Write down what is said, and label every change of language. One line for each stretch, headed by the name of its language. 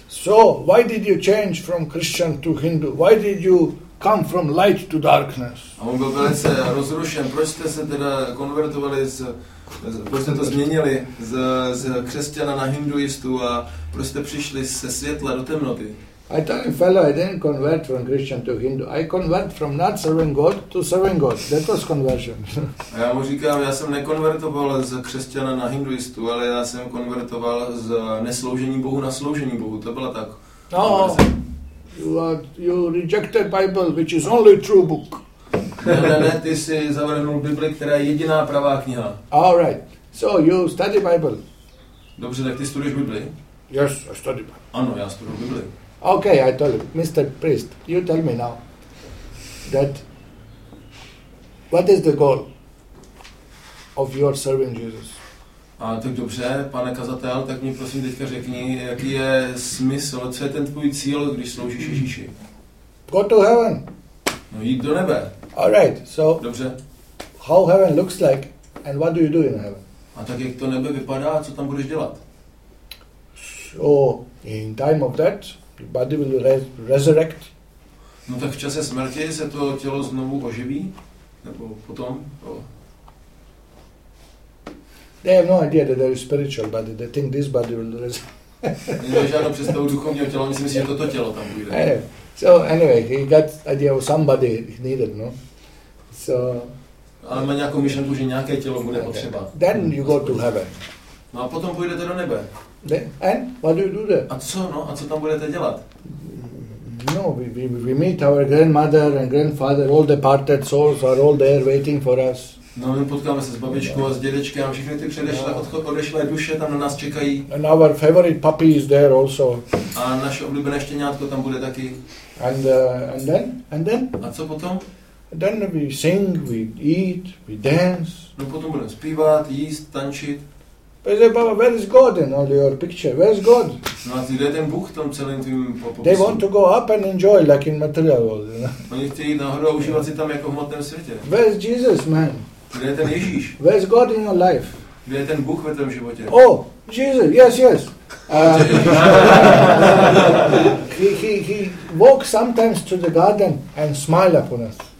English: So, why did you change from Christian to Hindu? Why did you come from light to darkness?
Czech: A on byl velice rozrušen. Proč jste se teda konvertovali z... Proč jste to změnili z křesťana na hinduistu a proč jste přišli ze světla do temnoty?
English: I tell you, fellow, I didn't convert from Christian to Hindu. I convert from not serving God to serving God. That was conversion.
Czech: A já mu říkám, já jsem nekonvertoval z křesťana na hinduistu, ale já jsem konvertoval z nesloužení Bohu na sloužení Bohu. To byla tak.
English: No, you rejected Bible, which is only true book.
Czech: Ne, ty jsi zavrhnul Bibli, která je jediná pravá kniha.
English: All right. So you study Bible.
Czech: Dobře, tak ty studuješ Bibli?
English: Yes, I study Bible.
Czech: Ano, já studuji Bibli.
English: Okay, I told you. Mr. Priest, you tell me now that what is the goal of your serving Jesus?
Czech: A tak dobře, pane kazatel, tak mi prosím teďka řekni, jaký je smysl, co je ten tvůj cíl, když sloužíš Ježíši?
English: Go to heaven.
Czech: No jít do nebe.
English: All right. So
Czech: dobře.
English: How heaven looks like and what do you do in heaven?
Czech: A tak jak to nebe vypadá, co tam budeš dělat?
English: So in time of that, the body will resurrect.
Czech: No tak v čase smrti se to tělo znovu oživí? Nebo potom? Oh.
English: They have no idea that there is spiritual body. They think this body will resurrect.
Czech: Nemá žádnou představu duchovního těla, myslím si, že toto tělo tam bude.
English: So anyway, he got idea of somebody he needed, no? So.
Czech: Ale má nějakou myšlenku, že nějaké tělo bude potřeba.
English: Then you go to heaven.
Czech: No a potom půjdete do nebe.
English: And what do you do there?
Czech: A co tam budete dělat?
English: No, we meet our grandmother and grandfather, all departed souls are all there waiting for us.
Czech: No, my potkáme se s babičkou a s dědečkem a všechny ty odešlé duše tam na nás čekají.
English: And our favorite puppy is there also.
Czech: A naše oblíbené štěňátko tam bude taky.
English: And then?
Czech: A co potom?
English: Then we sing, we eat, we dance.
Czech: No potom budeme zpívat, jíst, tančit.
English: But say, Baba, where is God in all your picture? Where is God?
Czech: No a kde je ten Bůh tam celým tým popisem?
English: They want to go up and enjoy, like in material world, you know?
Czech: Oni chtějí jít nahoru a užívat si tam jako v hmotném světě.
English: Where is Jesus, man?
Czech: Kde je ten Ježíš?
English: Where is God in your life?
Czech: Kde je ten Bůh ve tvém životě?
English: Oh, Jesus, yes. he walk sometimes to the garden and smile upon us.